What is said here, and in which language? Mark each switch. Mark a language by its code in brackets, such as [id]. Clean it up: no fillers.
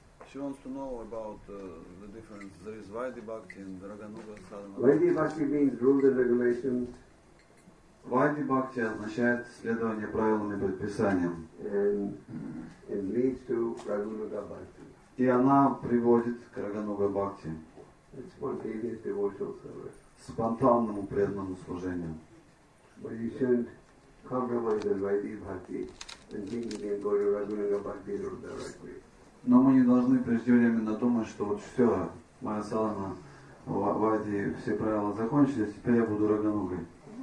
[en] She wants to know about the difference. There is Vaidhi Bhakti and Raganuga Sadhana. Vaidhi Bhakti means rules and regulations. [ru] Vaidhi Bhakti означает следование правилам и предписаниям. [en] And it leads to Raganuga Bhakti. [ru] И она приводит к Raganuga Bhakti. [en] It's spontaneous devotional service. [ru] Спонтанному преданному служению. [en] But you shouldn't compromise the Vaidhi Bhakti and think you can go to Raganuga Bhakti directly. [ru] Но мы не должны преждевременно думать, что вот все, моя салана, Вайди, все правила закончились, теперь я буду раганугой.